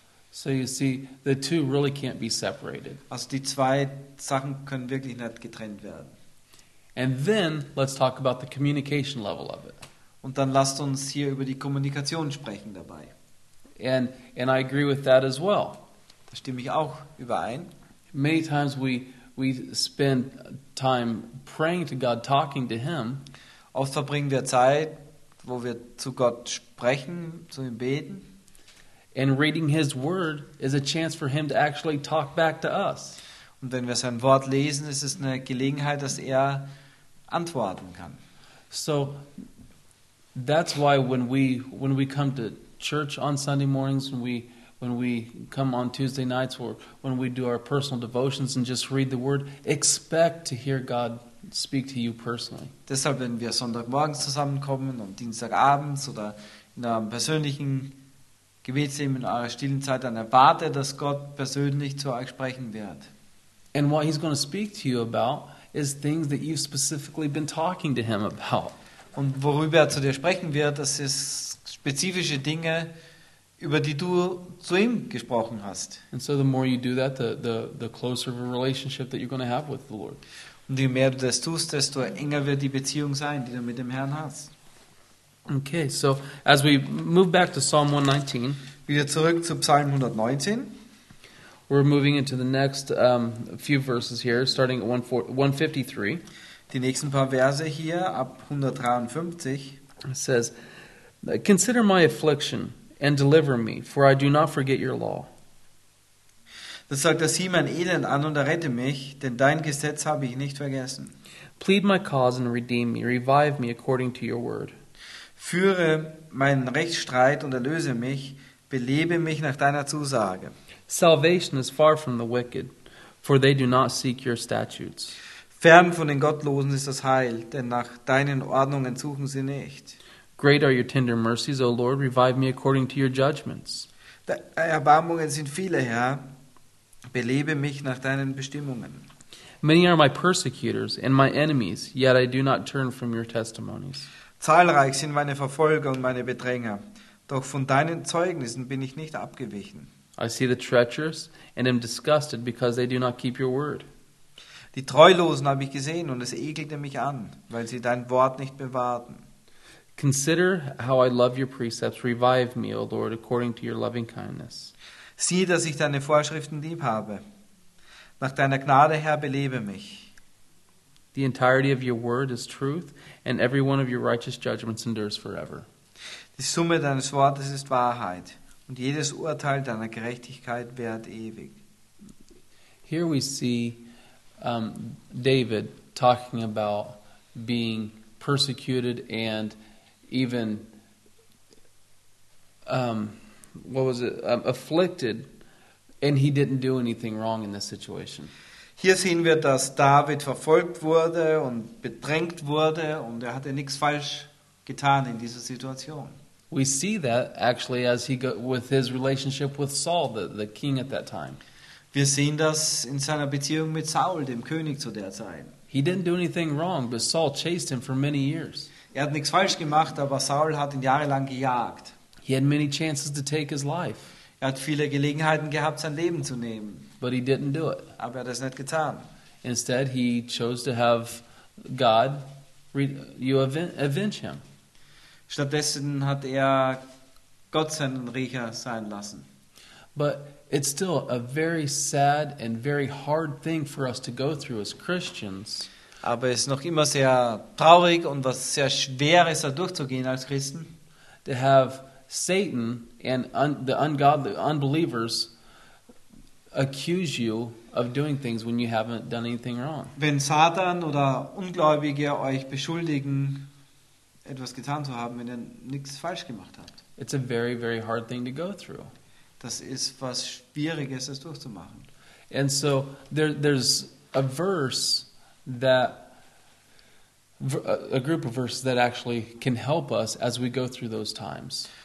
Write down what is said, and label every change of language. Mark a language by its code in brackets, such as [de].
[en] So you see, the two really can't be separated. [de] Also die zwei Sachen können wirklich nicht getrennt werden. [en] And then let's talk about the communication level of it. [de] Und dann lasst uns hier über die Kommunikation sprechen dabei. [en] And I agree with that as well. [de] Da stimme ich auch überein. [en] Many times we spend time praying to God, talking to Him. [de] Oft verbringen wir Zeit, wo wir zu Gott sprechen, zu ihm beten. [en] And reading His word is a chance for Him to actually talk back to us. [de] Und wenn wir sein Wort lesen, ist es eine Gelegenheit, dass er antworten kann. [en] So that's why when we come to church on Sunday mornings, when we come on Tuesday nights, or when we do our personal devotions and just read the word, expect to hear God speak to you personally. [de] Deshalb, wenn wir Sonntagmorgens zusammenkommen und Dienstagabends oder in einem persönlichen Gebetsleben in eurer stillen Zeit, dann erwarte, dass Gott persönlich zu euch sprechen wird. [en] And what He's going to speak to you about is things that you've specifically been talking to Him about. [de] Und worüber er zu dir sprechen wird, das ist spezifische Dinge, über die du zu ihm gesprochen hast. [en] And so the more you do that, the closer of a relationship that you're going to have with the Lord. [de] Und je mehr du das tust, desto enger wird die Beziehung sein, die du mit dem Herrn hast. [en] Okay, so as we move back to Psalm 119, [de] wieder zurück zu Psalm 119, [en] we're moving into the next few verses here, starting at 153. [de] Die nächsten paar Verse hier ab 153. [en] It says, "Consider my affliction and deliver me, for I do not forget your law." [de] Das sagt, er sieh mein Elend an und errette mich, denn dein Gesetz habe ich nicht vergessen. [en] "Plead my cause and redeem me, revive me according to your word." [de] Führe meinen Rechtsstreit und erlöse mich, belebe mich nach deiner Zusage. [en] "Salvation is far from the wicked, for they do not seek your statutes." [de] Fern von den Gottlosen ist das Heil, denn nach deinen Ordnungen suchen sie nicht. [en] "Great are your tender mercies, O Lord, revive me according to your judgments." [de] Deine Erbarmungen sind viele, Herr, belebe mich nach deinen Bestimmungen. [en] "Many are my persecutors and my enemies, yet I do not turn from your testimonies." [de] Zahlreich sind meine Verfolger und meine Bedränger, doch von deinen Zeugnissen bin ich nicht abgewichen. [en] "I see the treacherous and am disgusted because they do not keep your word." [de] Die Treulosen habe ich gesehen und es ekelte mich an, weil sie dein Wort nicht bewahrten. [en] Consider how I love your precepts. Revive me, O Lord, according to your loving kindness. [de] Sieh, dass ich deine Vorschriften lieb habe. Nach deiner Gnade, Herr, belebe mich. [en] The entirety of your word is truth, and every one of your righteous judgments endures forever. [de] Die Summe deines Wortes ist Wahrheit, und jedes Urteil deiner Gerechtigkeit währt ewig. [en] Here we see David talking about being persecuted and even afflicted, and he didn't do anything wrong in this situation. [de] Hier sehen wir, dass David verfolgt wurde und bedrängt wurde, und er hatte nichts falsch getan in dieser Situation. [en] We see that actually as he got with his relationship with Saul, the king at that time. [de] Wir sehen das in seiner Beziehung mit Saul, dem König zu der Zeit. [en] He didn't do anything wrong, but Saul chased him for many years. [de] Er hat nichts falsch gemacht, aber Saul hat ihn jahrelang gejagt. [en] He had many chances to take his life. [de] Er hat viele Gelegenheiten gehabt, sein Leben zu nehmen. [en] But he didn't do it. [de] Aber er hat es nicht getan. [en] Instead, he chose to have God avenge him. [de] Stattdessen hat er Gott seinen Riecher sein lassen. [en] But it's still a very sad and very hard thing for us to go through as Christians. [de] Aber es ist noch immer sehr traurig und was sehr Schweres, da durchzugehen als Christen. [en] To have Satan and the ungodly unbelievers accuse you of doing things when you haven't done anything wrong. [de] Wenn Satan oder Ungläubige euch beschuldigen, etwas getan zu haben, wenn ihr nichts falsch gemacht habt. [en] It's a very, very hard thing to go through. [de] Das ist was Schwieriges, es durchzumachen. [en] And so there's a verse a group of verses that actually can help us as we go through those times.